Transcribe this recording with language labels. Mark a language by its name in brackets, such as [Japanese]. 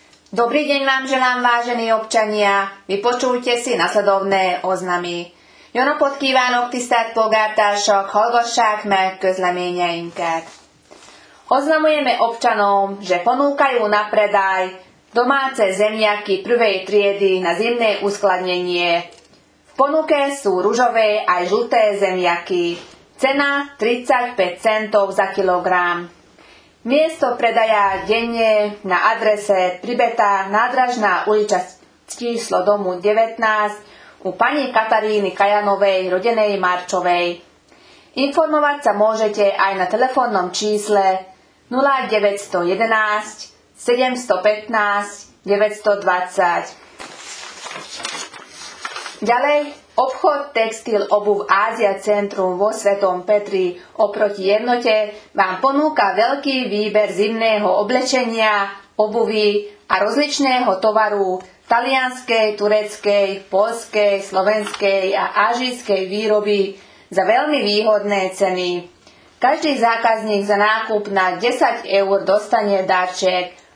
[Slovak] Dobrý deň vám želám, vážení občania. Vypočujte si nasledovné oznamy. [Hungarian] Jó napot kívánok, tisztelt polgártársak, hallgassák meg közleményeinket. [Slovak] Oznamujeme občanom, že ponúkajú na predaj domáce zemiaky prvej triedy na zimné uskladnenie. V ponuke sú ružové aj žlté zemiaky. Cena 35 centov za kilogram. Miesto predaja denne na adrese Pribeta, nádražná ulica číslo domu 19 u pani Kataríny Kajanovej, rodenej Marčovej. Informovať sa môžete aj na telefónnom čísle 0911 715 920. Ďalej, obchod textil obuv Ázia Centrum vo Svetom Petri oproti jednote vám ponúka veľký výber zimného oblečenia, obuvy a rozličného tovaru talianskej, tureckej, poľskej, slovenskej a ázijskej výroby za veľmi výhodné ceny. Každý zákazník za nákup na 10 eur dostane darček.